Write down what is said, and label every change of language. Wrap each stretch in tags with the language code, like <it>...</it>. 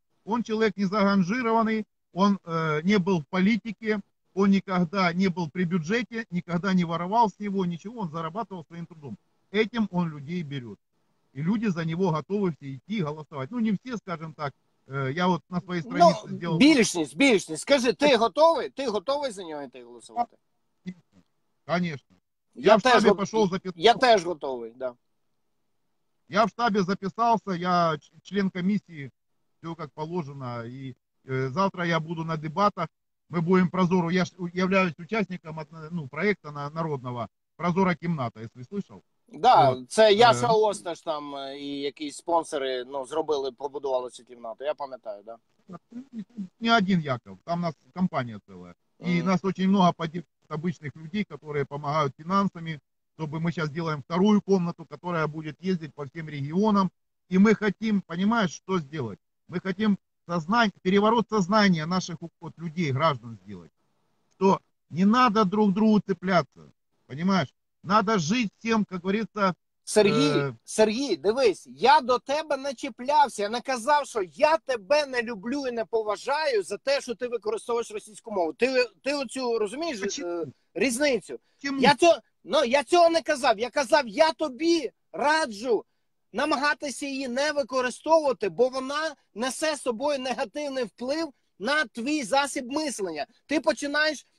<ru>Он человек не заганжированный, он не был в политике, он никогда не был при бюджете, никогда не воровал с него ничего, он зарабатывал своим трудом. Этим он людей берет. И люди за него готовы все идти голосовать. Ну, не все, скажем так. Я вот на своей странице сделал...</ru> <uk>Більшість, більшість. Скажи, ти готовий? Ти готовий за нього йти голосувати?</uk> <ru>Конечно.</ru> <uk>Я в штабі пішов записати. Я теж готовий, да. Я в штабі записався, я член комісії, все як положено. І завтра я буду на дебатах. Ми будемо Прозору. Я ж являюсь учасником ну, проєкту народного Прозора кімната, якщо слышав.</uk> <ru>Да, вот.</ru> <uk>Це Яша Осташ там і якісь спонсори, ну, зробили, побудували цю кімнату, я пам'ятаю, да. Не один Яков, там у нас компанія ціла. І нас дуже багато підтримують обичних людей, які допомагають фінансами, щоб ми зараз зробимо вторую кімнату, яка буде їздити по всім регіонам. І ми хочемо, розумієш, що зробити? Ми хочемо переворот сознання наших людей, граждан зробити. Що не треба друг другу цеплятися, розумієш?</uk> <ru>Надо жить тем, как говорится...</ru> <uk>Сергій, дивись, я до тебе не чіплявся, я не казав, що я тебе не люблю і не поважаю за те, що ти використовуєш російську мову. Ти оцю, розумієш, різницю? Чому? Я цього не казав. Я казав, я тобі раджу намагатися її не використовувати, бо вона несе з собою негативний вплив на твій засіб мислення. Ти починаєш...</uk>